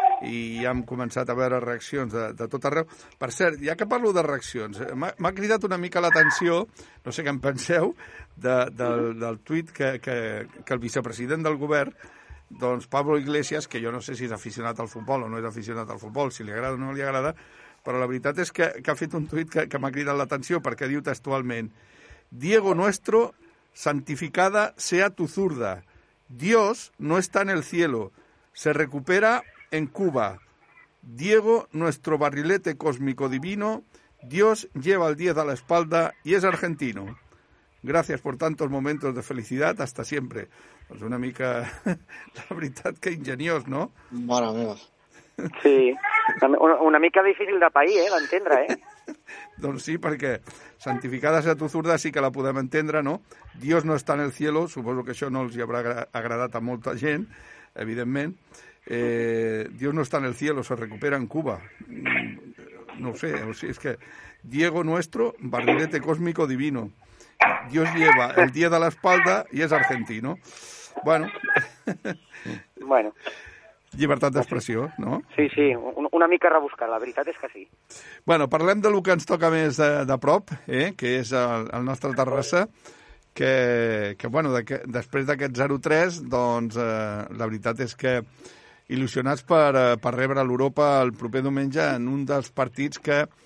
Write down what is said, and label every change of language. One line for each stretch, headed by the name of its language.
Catalan: I ja hem començat a veure reaccions de tot arreu. Per cert, ja que parlo de reaccions, m'ha cridat una mica l'atenció, no sé què en penseu, del tuit que el vicepresident del govern, doncs Pablo Iglesias, que jo no sé si és aficionat al futbol o no és aficionat al futbol, si li agrada o no li agrada, però la veritat és que ha fet un tuit que m'ha cridat l'atenció, perquè diu textualment:
Spanish: Diego nuestro, santificada sea tu zurda. Dios no está en el cielo. Se recupera en Cuba. Diego, nuestro barrilete cósmico divino, Dios lleva el 10 a la espalda y es argentino. Gracias por tantos momentos de felicidad, hasta siempre.
Catalan: Pues una mica, la veritat, que ingeniós, no? Mare meva. Sí, una mica difícil de pair, d'entendre, Doncs sí, perquè
Spanish: santificada sea tu zurda
Catalan: sí que la podem entendre, no?
Spanish: Dios no està en el cielo,
Catalan: suposo que això no els hi haurà agradat a molta gent, evidentment.
Spanish: Dios no está en el cielo, se recupera en Cuba. No sé, o sea, es que Diego nuestro, barrilete cósmico divino. Dios lleva el 10 a la espalda y es argentino. Bueno. Bueno.
Catalan: Llibertat d'expressió, no? Sí, sí, una mica rebuscada, la veritat és que sí. Bueno, parlem del que ens toca més de prop, que és el nostre Terrassa. Que bueno, després d'aquest 0-3, doncs la veritat és que il·lusionats per rebre l'Europa el proper diumenge en un dels partits que